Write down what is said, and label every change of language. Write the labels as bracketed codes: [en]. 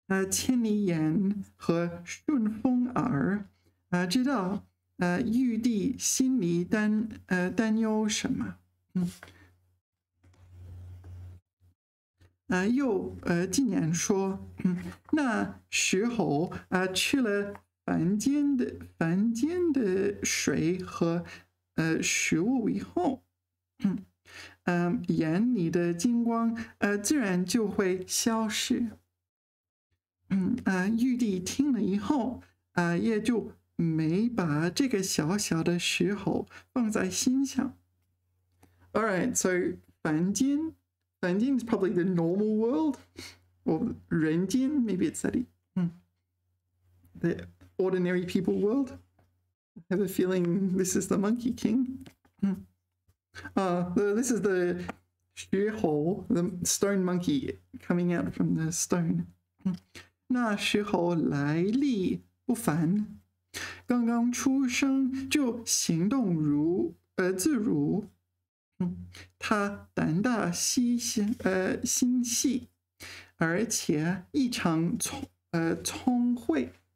[zh] 千里眼和顺风耳，知道，玉帝心里担忧什么，又进言说，那石猴吃了凡间的水和食物以后，眼里的金光自然就会消失。玉帝听了以后也就没把这个小小的石猴放在心上。 [en] All right, so 凡间 is probably the normal world, or 人间, maybe it's that. The ordinary people world. I have a feeling this is the Monkey King. This is the 石猴, the stone monkey coming out from the stone. [zh] 那石猴来历不凡, 刚刚出生就行动自如。他胆大心细，而且异常聪慧。